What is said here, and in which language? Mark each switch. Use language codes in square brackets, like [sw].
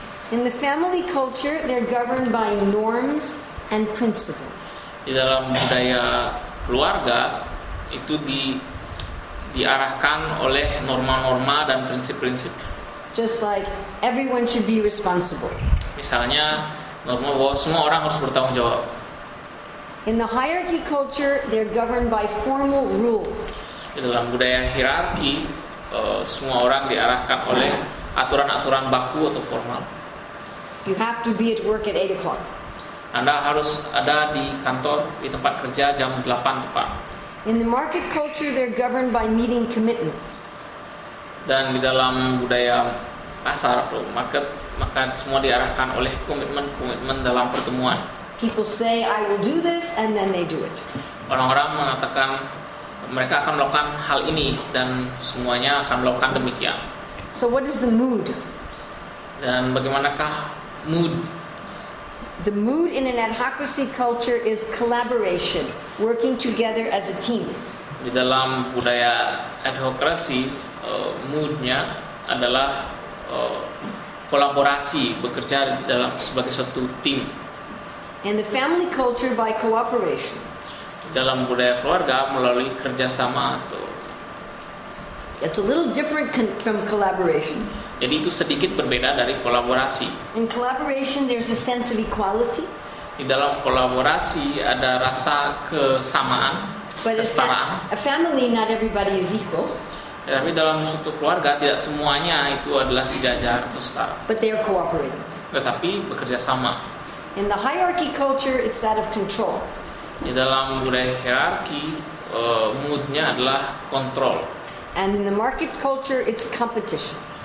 [en] In the family culture, they're governed by norms and principles. [id] Di dalam budaya keluarga itu diarahkan oleh norma-norma dan prinsip-prinsip. [en] Just like everyone should be responsible. [id] Misalnya norma bahwa semua orang harus bertanggung jawab. [en] In the hierarchy culture, they're governed by formal rules. [id] Di dalam budaya hierarki, semua orang diarahkan oleh aturan-aturan baku atau formal. [en] You have to be at work at 8 o'clock. [id] Anda harus ada di kantor, di tempat kerja jam 8 tepat. [en] In the market culture, they're governed by meeting commitments. [id] Dan di dalam budaya pasar atau market, maka semua diarahkan oleh komitmen-komitmen dalam pertemuan. [en] People say I will do this and then they do it. [id] Orang-orang mengatakan mereka akan melakukan hal ini dan semuanya akan melakukan demikian. [en] So what is the mood? [id] Dan bagaimanakah mood? [en] The mood in an adhocracy culture is collaboration, working together as a team. [id] Di dalam budaya adhocracy, moodnya adalah kolaborasi, bekerja dalam sebagai satu tim. [en] And the family culture by cooperation. [id] Dalam budaya keluarga melalui kerjasama atau. [en] It's a little different from collaboration. [id] Jadi itu sedikit berbeda dari kolaborasi. [en] In collaboration, there's a sense of equality. [id] Di dalam kolaborasi ada rasa kesamaan, kesetaraan. [en] A family, not everybody is equal. [id] Ya, tapi dalam suatu keluarga tidak semuanya itu adalah sejajar atau setara. [en] But they are cooperating. [id] Tetapi bekerjasama. [en] In the hierarchy culture, it's that of control. [id] Di dalam budaya hierarki, moodnya adalah kontrol. [en] And in the market culture, it's competition.